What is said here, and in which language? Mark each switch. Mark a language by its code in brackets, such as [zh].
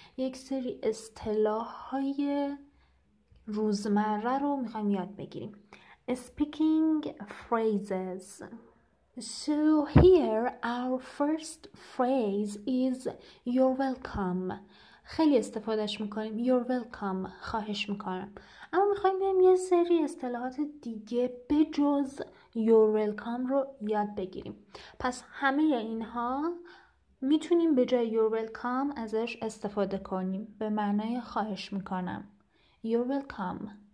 [fa] یک سری اصطلاح‌های روزمره رو می‌خوایم یاد بگیریم. [en] Speaking phrases. So here our first phrase is you're welcome. [fa] خیلی استفادهش میکنیم. [en] You're welcome. [fa] خواهش میکنم. اما میخوایم بیایم یه سری اصطلاحات دیگه بجز [en] you're welcome [fa] رو یاد بگیریم. پس همه اینها میتونیم به جای [en] you're welcome [fa] ازش استفاده کنیم. به معنای خواهش میکنم. [en] You're welcome.